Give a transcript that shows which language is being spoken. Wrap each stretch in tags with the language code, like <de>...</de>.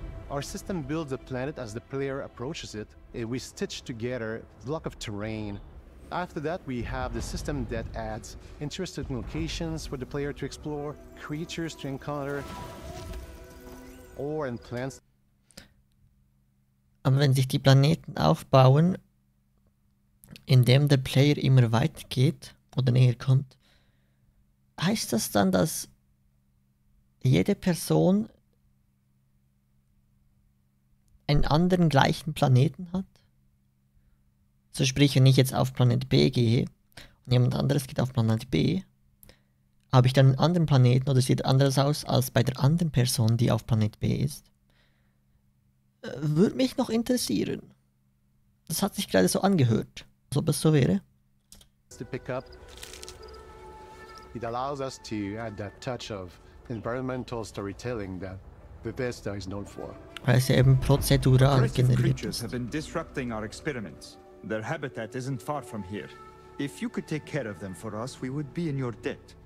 <en>Our system builds a planet as the player approaches it, and we stitch together a block of terrain. After that, we have the system that adds interesting locations for the player to explore, creatures to encounter, ore and plants.</en> <de>Und wenn sich die Planeten aufbauen, indem der Player immer weit geht oder näher kommt, heißt das dann, dass jede Person einen anderen gleichen Planeten hat? So sprich, wenn ich jetzt auf Planet B gehe und jemand anderes geht auf Planet B, habe ich dann einen anderen Planeten oder sieht anders aus als bei der anderen Person, die auf Planet B ist? Würde mich noch interessieren. Das hat sich gerade so angehört, als ob es so wäre.</de> <en>To pick up. It allows us to add that touch of environmental storytelling that Bethesda is known for.</en> <de>Weil sie eben prozedural generiert ist.</de> <en>Have been disrupting our experiments. Their habitat isn't far from here. If you could take care of them for us, we would be in your debt.</en>